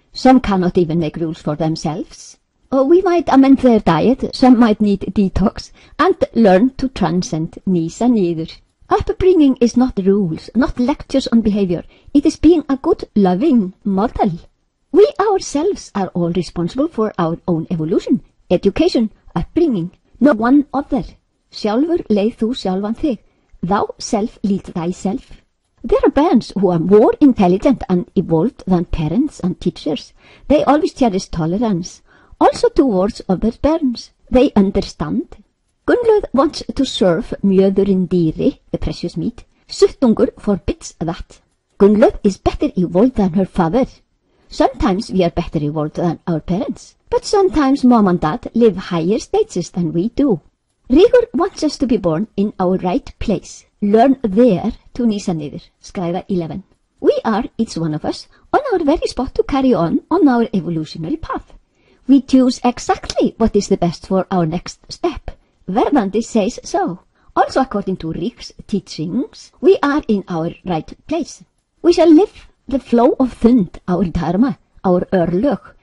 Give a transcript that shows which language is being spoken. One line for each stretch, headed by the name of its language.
English: Some cannot even make rules for themselves. Oh, we might amend their diet, some might need detox, and learn to transcend
Icelandic: nýsa niður.
English: Upbringing is not rules, not lectures on behavior. It is being a good, loving model. We ourselves are all responsible for our own evolution, education, upbringing, no one other.
Icelandic: Sjálfur leið þú sjálfan þig.
English: Thou self lead thyself. There are bands who are more intelligent and evolved than parents and teachers. They always cherish tolerance, also towards other bairns. They understand. Gunnlöð wants to serve
Icelandic: mjöðurinn dýri,
English: the precious meat. Suttungur forbids that. Gunnlöð is better evolved than her father. Sometimes we are better evolved than our parents. But sometimes mom and dad live higher stages than we do. Rígur wants us to be born in our right place. Learn there to
Icelandic: nýsa niður, skræða 11.
English: We are, each one of us, on our very spot to carry on our evolutionary path. We choose exactly what is the best for our next step. Verðandi says so. Also according to Rík's teachings, we are in our right place. We shall live the flow of thund, our dharma, our örlög.